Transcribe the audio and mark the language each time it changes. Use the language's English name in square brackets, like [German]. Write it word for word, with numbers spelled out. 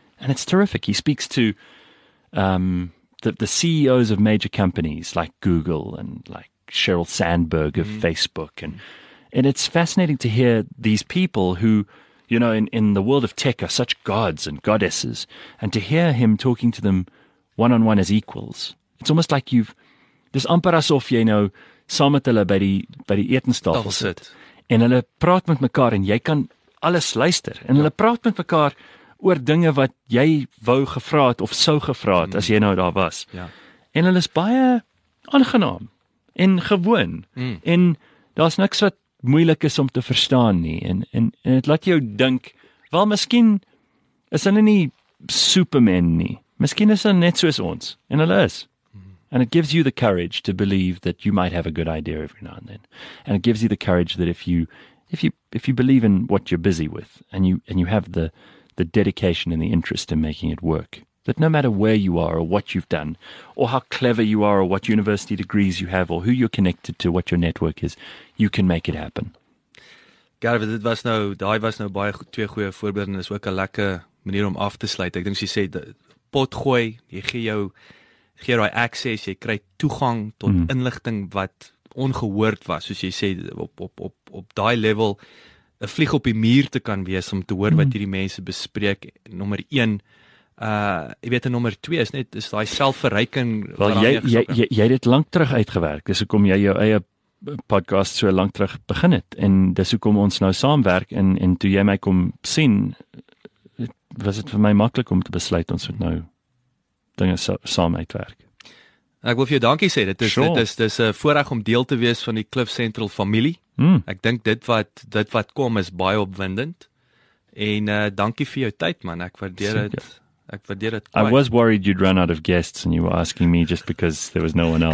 [English] And it's terrific. He speaks to um, the, the C E Os of major companies like Google and like Sheryl Sandberg of mm-hmm. Facebook. And, and it's fascinating to hear these people who... You know, in, in the world of tech are such gods and goddesses. And to hear him talking to them one-on-one as equals, it's almost like you've... [Afrikaans] Dis amper asof jy nou saam met hulle by die, by die etenstafel sit. En hulle praat met mekaar en jy kan alles luister. En ja. Hulle praat met mekaar oor dinge wat jy wou gevra het of sou gevra het mm. as jy nou daar was. Ja. En hulle is baie aangenaam en gewoon. Mm. En daar's niks wat moeilik is om te verstaan nie, en, en, en het laat jou dink, wel, miskien is hulle nie Superman nie, miskien is hulle net soos ons, en hulle is. [English] And it gives you the courage to believe that you might have a good idea every now and then, and it gives you the courage that if you, if you, if you believe in what you're busy with, and you, and you have the, the dedication and the interest in making it work, that no matter where you are or what you've done, or how clever you are or what university degrees you have or who you're connected to, what your network is, you can make it happen. [Afrikaans] Gerwe, dit was nou, daai was nou baie twee goeie voorbeelde en is ook 'n lekker manier om af te sluit. Ek dink jy sê pot gooi, jy gee jou gee daai access, jy kry toegang tot mm. inligting wat ongehoord was, soos jy sê op op op op daai level 'n vlieg op die muur te kan wees om te hoor mm. wat hierdie mense bespreek. Nommer een Uh, ek weet nommer twee is net is daai selfverryking. Wel jy jy jy, jy het dit lank terug uitgewerk. Dis hoekom jy jou eie podcast so lank terug begin het en dis hoekom ons nou saamwerk en en toe jy my kom sien was dit vir my maklik om te besluit ons moet nou dinge so, saam uitwerk. Ek wil vir jou dankie sê. Dit is sure. dit is dis 'n voorreg om deel te wees van die Klif Central familie. Mm. Ek dink dit wat dit wat kom is baie opwindend. En uh, dankie vir jou tyd man. Ek waardeer dit. [English] I was worried you'd run out of guests and you were asking me just because there was no one else.